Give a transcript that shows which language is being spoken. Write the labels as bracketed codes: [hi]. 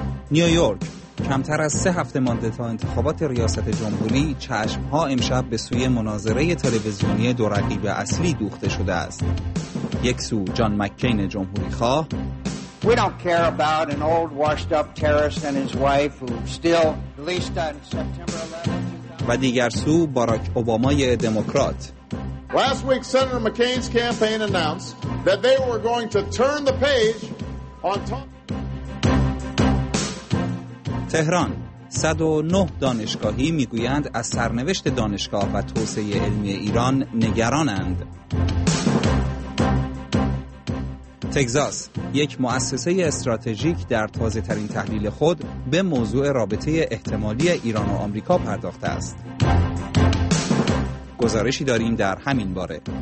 [fa] نیویورک. کمتر از 3 هفته مانده تا انتخابات ریاست جمهوری، چشم‌ها امشب به سوی مناظره تلویزیونی دو رقیب اصلی دوخته شده است. یک سو جان مککین جمهوری خواه. [en] We don't care about an old washed up terrorist and his wife who still released on September 11th. [fa] و دیگر سو باراک اوبامای دموکرات. [en] Last week Senator McCain's campaign announced that they were going to turn the page on [fa] تهران. 109 دانشگاهی میگویند از سرنوشت دانشگاه و توسعه علمی ایران نگرانند. تگزاس. یک مؤسسه استراتژیک در تازه ترین تحلیل خود به موضوع رابطه احتمالی ایران و آمریکا پرداخته است. گزارشی داریم در همین باره.